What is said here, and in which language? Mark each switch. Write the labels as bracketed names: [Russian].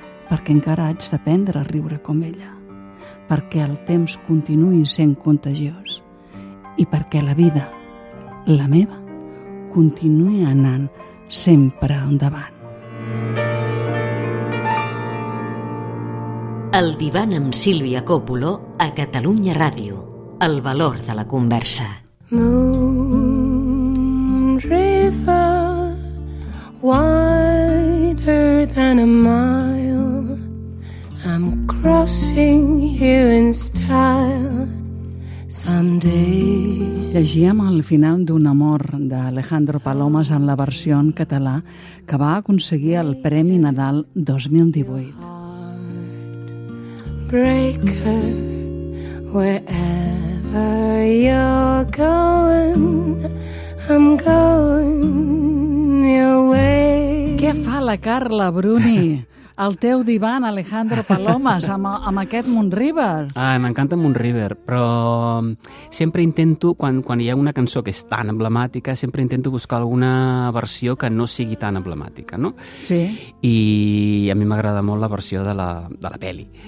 [Catalan] Perquè encara haig d'aprendre a riure com ella, perquè el temps continuï sent contagiós i perquè la vida, la meva, continuï anant sempre endavant. El divan amb Sílvia Còpolo a Catalunya Ràdio. El valor de la conversa. [English] Moon river, wider than a mile, I'm crossing you in style someday. [Catalan] Llegíem al final d'Un amor d'Alejandro Palomas en la versió en català que va aconseguir el Premi Nadal 2018. [English] Heartbreaker, wherever you're going, I'm going your way. [Catalan] Què fa la Carla Bruni? El teu divan, Alejandro Palomas, amb aquest Moonriver. Ah, m'encanta Moonriver, però sempre intento, quan hi ha una cançó que és tan emblemàtica, sempre intento buscar alguna versió que no sigui tan emblemàtica, no? Sí. I a mi m'agrada molt la versió de la peli.